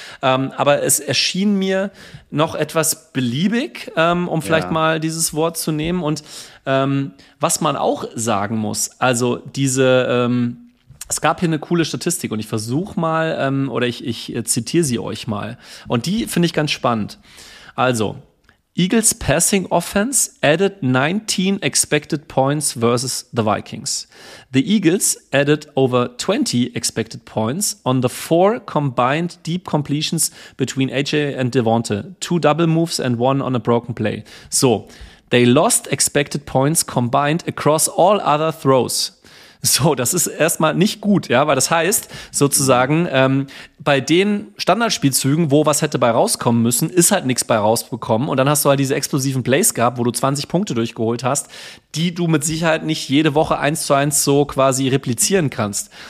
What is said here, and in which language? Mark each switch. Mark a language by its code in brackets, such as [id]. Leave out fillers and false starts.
[de] Aber es erschien mir noch etwas beliebig, um vielleicht mal dieses Wort zu nehmen. Und was man auch sagen muss, also diese Es gab hier eine coole Statistik und ich versuche mal, oder ich zitiere sie euch mal. Und die finde ich ganz spannend. [en] Also, Eagles Passing Offense added 19 expected points versus the Vikings. The Eagles added over 20 expected points on the 4 combined deep completions between AJ and Devonta. 2 double moves and 1 on a broken play. So, they lost expected points combined across all other throws. [de] So, das ist erstmal nicht gut, ja, weil das heißt sozusagen, bei den Standardspielzügen, wo was hätte bei rauskommen müssen, ist halt nichts bei rausbekommen und dann hast du halt diese explosiven Plays gehabt, wo du 20 Punkte durchgeholt hast, die du mit Sicherheit nicht jede Woche 1:1 so quasi replizieren kannst.